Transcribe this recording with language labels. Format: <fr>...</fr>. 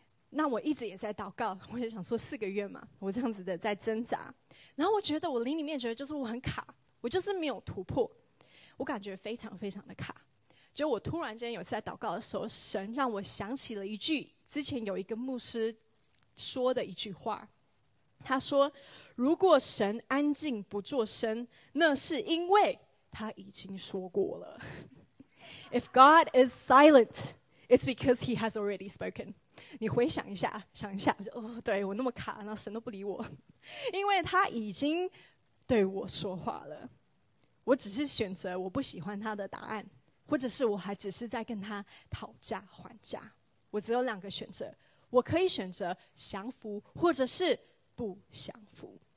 <zh>那我一直也在祷告，我也想说4个月嘛，我这样子的在挣扎，然后我觉得我灵里面觉得就是我很卡，我就是没有突破，我感觉非常非常的卡。就我突然间有一次在祷告的时候，神让我想起了一句之前有一个牧师说的一句话，他说，如果神安静不作声，那是因为他已经说过了。</zh> <en>If God is silent, it's because he has already spoken。</en> <zh>你回想一下，想一下，我就，哦，对，我那么卡，那神都不理我，因为他已经对我说话了，我只是选择我不喜欢他的答案，或者是我还只是在跟他讨价还价。我只有两个选择，我可以选择降服或者是不降服。</zh>